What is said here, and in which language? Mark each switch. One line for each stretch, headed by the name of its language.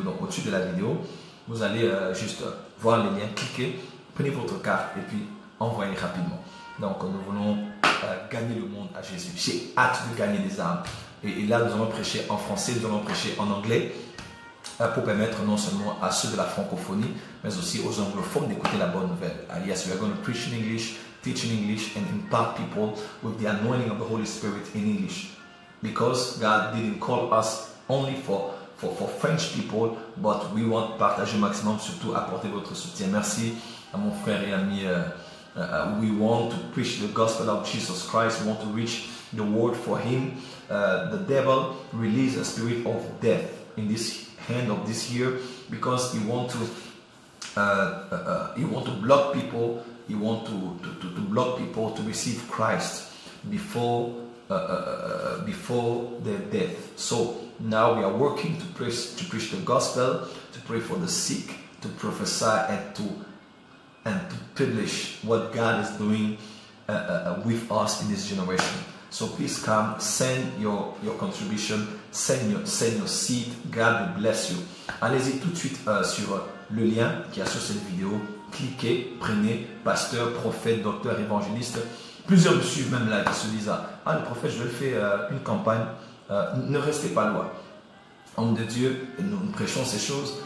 French: Donc, au-dessus de la vidéo, vous allez juste voir les liens, cliquez, prenez votre carte et puis envoyez rapidement. Donc, nous voulons gagner le monde à Jésus. J'ai hâte de gagner des âmes. Et là, nous allons prêcher en français, nous allons prêcher en anglais pour permettre non seulement à ceux de la francophonie, mais aussi aux anglophones d'écouter la bonne nouvelle. Yes, we are going to preach in English, teach in English and impart people with the anointing of the Holy Spirit in English.
English: Because God didn't call us only for French people, but we want to
French: partager maximum, surtout apporter votre soutien. Merci à mon frère et ami.
English: We want to preach the gospel of Jesus Christ. We want to reach the world for Him. The devil released a spirit of death in this hand of this year because he want to block people. He want to block people to receive Christ before. Before their death. So now we are working to preach the gospel, to pray for the sick, to prophesy and to publish what God is doing with us in this generation. So please come, send your contribution, send your seed. God will bless you.
French: Allez-y tout de suite sur le lien qui est sur cette vidéo. Cliquez, prenez pasteur, prophète, docteur, évangéliste. Plusieurs me suivent même là, qui se disent « Ah, le prophète, je vais faire une campagne. » Ne restez pas loin. Homme de Dieu, nous prêchons ces choses.